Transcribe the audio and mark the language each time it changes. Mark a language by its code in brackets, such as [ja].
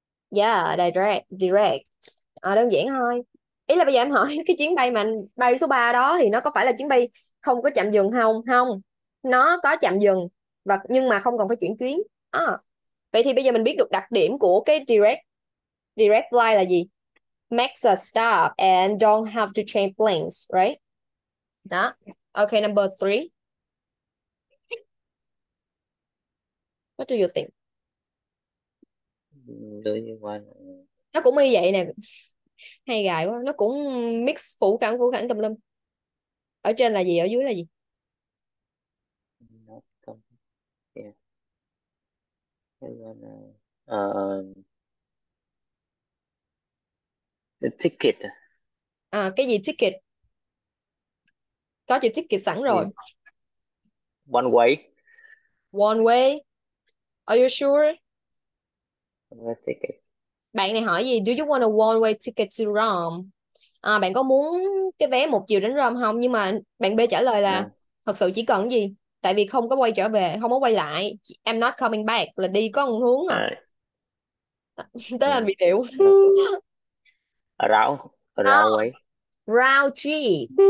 [vi] Yeah, direct, direct. Đơn giản thôi. Ý là bây giờ em hỏi cái chuyến bay mà bay số 3 đó thì nó có phải là chuyến bay không có chạm dừng không? Không. Nó có chạm dừng và nhưng mà không còn phải chuyển chuyến. Vậy thì bây giờ mình biết được đặc điểm của cái direct direct flight là gì? [en] Makes a stop and don't have to change planes, right? Đó. Okay, number 3. What do you think? [vi] Đương nhiên quan Nó cũng y vậy nè. Hay gài quá. Nó cũng mix phủ cảnh, phủ cảnh tùm lum. Ở trên là gì, ở dưới là gì? [en] yeah. The ticket [vi] À, cái gì ticket? Có chữ ticket sẵn gì rồi. [en] one way One way. Are you sure? ticket [vi] Bạn này hỏi gì? [en] Do you want a one way ticket to Rome? [vi] À, bạn có muốn cái vé một chiều đến Rome không? Nhưng mà bạn B trả lời là [en] no. [vi] thật sự chỉ cần gì? Tại vì không có quay trở về, không có quay lại. [en] I'm not coming back [vi] là đi có một hướng à. Tới anh bị điệu. [en] Around, Oh, around way.